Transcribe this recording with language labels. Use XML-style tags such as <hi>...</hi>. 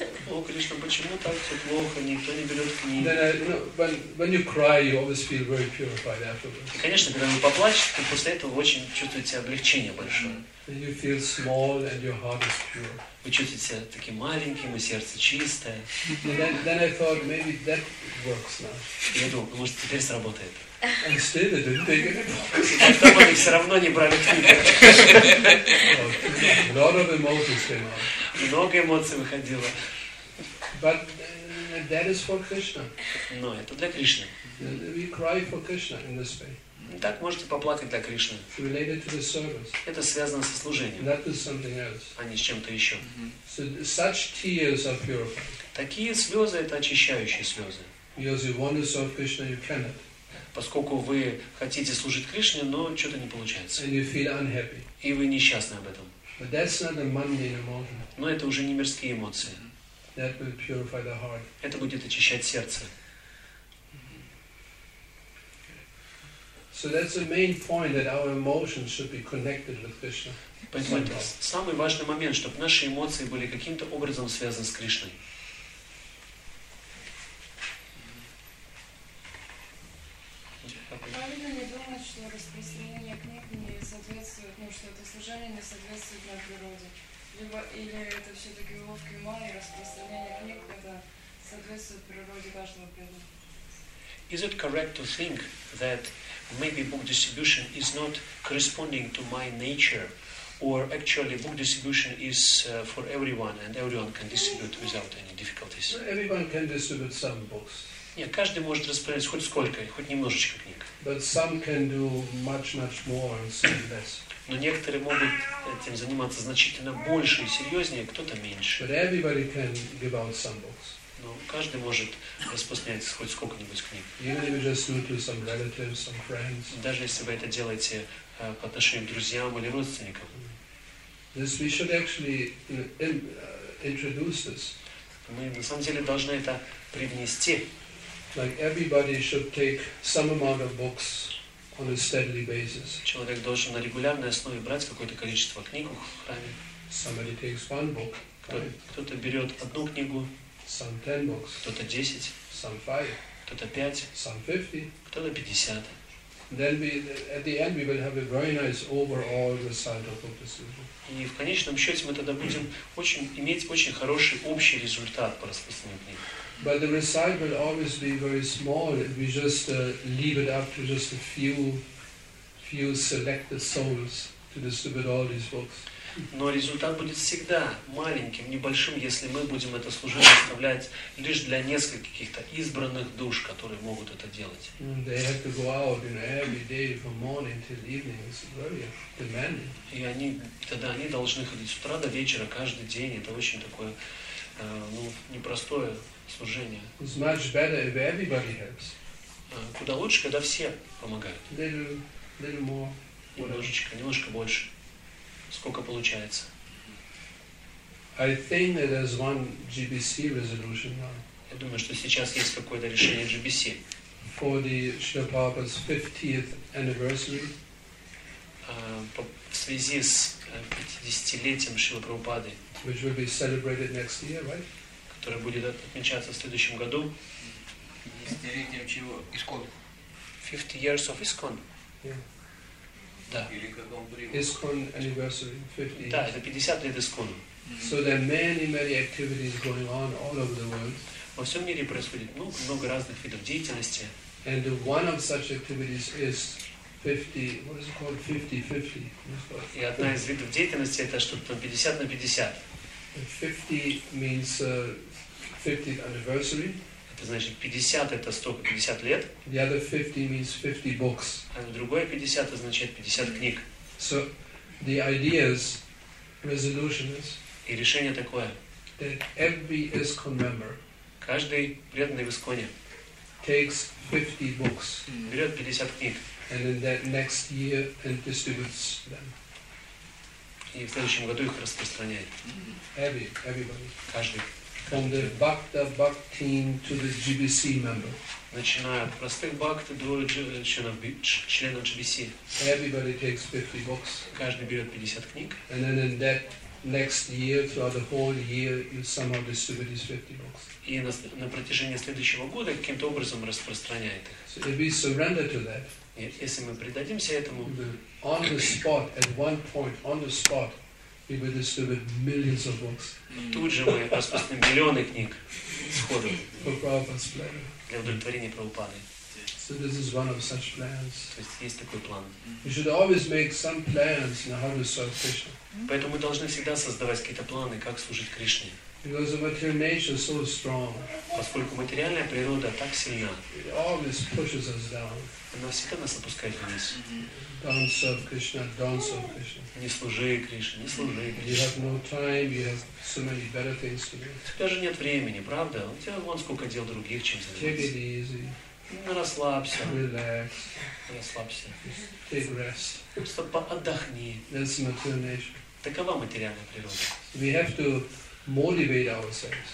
<ru>О, Кришна, почему так все плохо, никто не берет книги? И, конечно, когда вы поплачете, то после этого очень чувствуете облегчение большое.</ru> <en>And you feel small and your heart is pure.</en> <ru>Вы чувствуете себя таким маленьким, и сердце чистое.</ru> <en>Then I thought maybe that works now.</en> <ru>Я думал, может, теперь сработает.</ru> <en>And still they didn't take it.</en> <ru>Но потом они все равно не брали книгу.</ru> <en>A lot of emotions came out.</en> <ru>Много эмоций выходило.</ru> <en>But that is for Krishna.</en> <ru>Но это для Кришны.</ru> <en>We cry for Krishna in this way.</en> <ru>Так можете поплакать для Кришны.</ru> <en>Related to the service.</en> <ru>Это связано со служением.</ru> <en>Not with something else.</en> <ru>А не с чем-то еще.</ru> <en>So such tears are purified.</en> <ru>Такие слезы это очищающие слезы.</ru> <en>Because you want to serve Krishna, you cannot.</en> <ru>Поскольку вы хотите служить Кришне, но что-то не получается.</ru> <en>And you feel unhappy.</en> <ru>И вы несчастны об этом.</ru> <en>But that's not a mundane emotion.</en> <ru>Но это уже не мирские эмоции.</ru> <en>That will purify the heart.</en> <ru>Это будет очищать сердце.</ru> <en>So that's the main point that our emotions should be connected with Krishna.</en> <ru>Поэтому это самый важный момент, чтобы наши эмоции были каким-то образом связаны с Кришной. Правильно не думать, что распространение книг не соответствует, ну что это служение не соответствует на природе. Либо или это все-таки уловки ума и распространение книг это соответствует природе каждого преданного.</ru> <en>Is it correct to think that maybe book distribution is not corresponding to my nature, or actually book distribution is for everyone and everyone can distribute without any difficulties? Everyone can distribute some books.</en> <ru>Нет, каждый может распространять хоть сколько, хоть немножечко книг.</ru> <en>But some can do much, much more and some less.</en> <ru>Но некоторые могут этим заниматься значительно больше и серьезнее, кто-то меньше.</ru> <en>But everybody can give out some books.</en> <ru>Но каждый может распространять хоть сколько-нибудь книг.</ru> <en>Even if you just do it to some relatives, some friends.</en> <ru>Даже если вы это делаете по отношению к друзьям или родственникам.</ru> <en>This we should actually introduce this.</en> <ru>Мы на самом деле должны это привнести.</ru> <en>Like everybody should take some amount of books on a steady basis.</en> <ru>Человек должен на регулярной основе брать какое-то количество книг в храме.</ru> <en>Somebody takes one book.</en> <ru>Кто-то берет одну книгу.</ru> <en>Some 10 books.</en> <ru>Кто-то 10.</ru> <en>Some 5.</en> <ru>Кто-то 5.</ru> <en>Some 50.</en> <ru>Кто-то 50.</ru> <en>Then we, at the end, we will have a very nice overall result of the sutra.</en> <ru>И в конечном счете мы тогда будем очень иметь очень хороший общий результат по распространению книг.</ru> <en>But the result will always be very small if we just leave it up to just a few selected souls to distribute all these books.</en> <ru>Но результат будет всегда маленьким, небольшим, если мы будем это служение оставлять лишь для нескольких каких-то избранных душ, которые могут это делать.</ru> <en>They have to go out, you know, every day from morning till evening. It's very demanding.</en> <ru>И они тогда они должны ходить с утра до вечера каждый день. Это очень такое непростое служение.</ru> <en>It's much better if everybody helps.</en> <ru>Куда лучше, когда все помогают.</ru> <en>Little more.</en> <ru>Немножечко, немножко больше. Сколько получается?</ru> <en>I think that there's one GBC resolution now.</en> <ru>Я думаю, что сейчас есть какое-то решение GBC.</ru> <en>For the Srila Prabhupada's 50th anniversary.</en> <ru>В связи с 50-летием Шрилы Прабхупады.</ru> <en>Which will be celebrated next year, right?</en> <ru>Которое будет отмечаться в следующем году. 50-летием чего? ИСКОН.</ru> <en>50 years of ISKCON. Yeah.</en> <ru>Да.</ru> <en>ISKCON anniversary, 50 years.</en> <ru>Да, это 50 лет ИСКОНу. Mm-hmm.</ru> <en>So there are many, many activities going on all over the world.</en> <ru>Во всем мире происходит много разных видов деятельности.</ru> <en>And one of such activities is 50, what is it called? 50-50.</en> <ru>И одна из видов деятельности это что-то 50 на 50.</ru> <en>50 means 50th anniversary.</en> <ru>Это значит 50 это 150 лет.</ru> <en>The other 50 means 50 books.</en> <ru>А другое 50 означает 50 книг.</ru> <en>So the idea is resolution is.</en> <ru>И решение такое.</ru> <en>That every ISKCON member.</en> <ru>Каждый преданный в ИСКОНе.</ru> <en>Takes 50 books.</en> <ru>Берет 50 книг.</ru> <en>And in that next year and distributes them.</en> <ru>И в следующем году их распространяет.</ru> <en>Everybody.</en> <ru>Каждый.</ru> <en>From the Bhakta Bhaktin to the GBC member.</en> <ru>Начиная от простых Бхакты до членов GBC.</ru> <en>Everybody takes 50 books.</en> <ru>Каждый берет 50 книг.</ru> <en>And then in that next year, throughout the whole year, you somehow distribute these 50 books.</en> <ru>И на протяжении следующего года каким-то образом распространяет их.</ru> <en>So if we surrender to that,</en> <ru>если мы предадимся этому,</ru> <en>on the spot, at one point, on the spot, we will distribute millions of books.</en> <ru>Тут же мы распространим миллионы книг сходу.</ru> <en>For Prabhupada's pleasure.</en> <ru>Для удовлетворения Прабхупады.</ru> <en>So this is one of such plans.</en> <ru>То есть есть такой план.</ru> <en>We should always make some plans on how to serve Krishna.</en> <ru>Поэтому мы должны всегда создавать какие-то планы, как служить Кришне.</ru> <en>Because the material nature is so strong.</en> <ru>Поскольку материальная природа так сильна.</ru> <en>It always pushes us down.</en> <ru>Она всегда нас опускает вниз.</ru> <en>Don't serve Krishna, don't serve Krishna.</en> <ru>Не служи Кришне, не служи Кришне.</ru> <en>You have no time, you have so many better things to do.</en> <ru>У тебя же нет времени, правда? У тебя вон сколько дел других, чем заниматься.</ru> <en>Take it easy.</en> <ru>Ну, расслабься.</ru> <en>Relax.</en> <ru>Расслабься.</ru> <en>Just take rest.</en> <ru>Просто отдохни.</ru> <en>That's the material nature.</en> <ru>Такова материальная природа.</ru> <en>We have to motivate ourselves.</en>